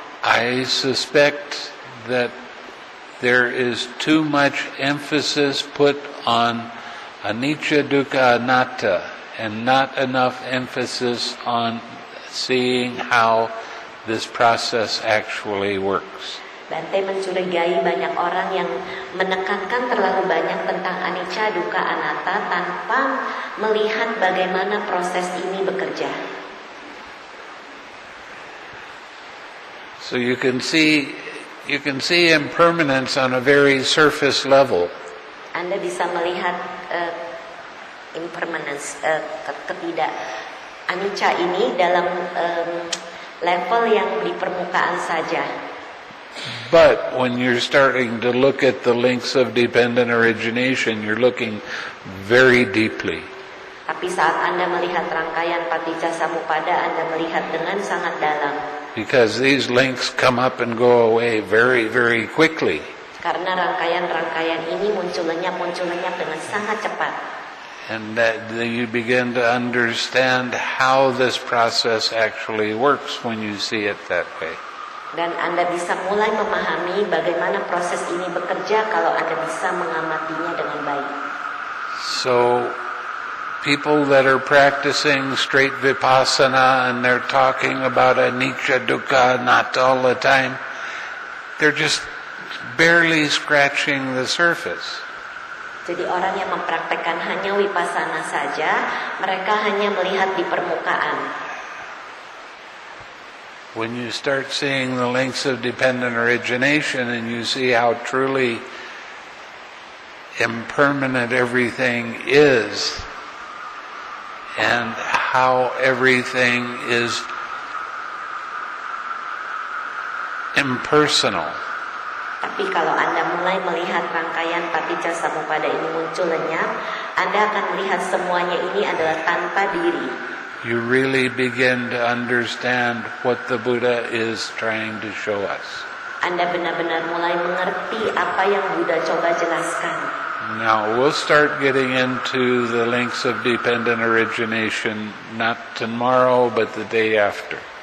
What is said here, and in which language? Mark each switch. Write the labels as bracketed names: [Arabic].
[English] I suspect that there is too much emphasis put on anicca, dukkha, anatta and not enough emphasis on seeing how this process actually works. [Indonesian] Bante mencurigai banyak orang yang menekankan terlalu banyak tentang anicca, dukkha, anatta tanpa melihat bagaimana proses ini bekerja. [English] So you can see impermanence on a very surface level. [Indonesian] Anda bisa melihat impermanence, ketidak anicca ini dalam level yang di permukaan saja. [English] But when you're starting to look at the links of dependent origination, you're looking very deeply. [Indonesian] Tapi saat Anda melihat rangkaian paticca samuppada, Anda melihat dengan sangat dalam. [English] Because these links come up and go away very, very quickly. [Indonesian] Karena rangkaian-rangkaian ini munculnya dengan sangat cepat. [English] And that you begin to understand how this process actually works when you see it that way. [Indonesian] Dan Anda bisa mulai memahami bagaimana proses ini bekerja kalau Anda bisa mengamatinya dengan baik. [English] So, people that are practicing straight vipassana and they're talking about anicca, dukkha, anatta all the time, they're just barely scratching the surface. [Indonesian] Jadi orang yang mempraktekkan hanya vipassana saja, mereka hanya melihat di permukaan. [English] When you start seeing the links of dependent origination and you see how truly impermanent everything is and how everything is impersonal. [Indonesian] Tapi kalau Anda mulai melihat rangkaian paticca samuppada ini muncul lenyap, Anda akan melihat semuanya ini adalah tanpa diri. [English] You really begin to understand what the Buddha is trying to show us. [Indonesian] Anda benar-benar mulai mengerti apa yang Buddha coba jelaskan. [English] Now we'll start getting into the links of dependent origination not tomorrow but the day after.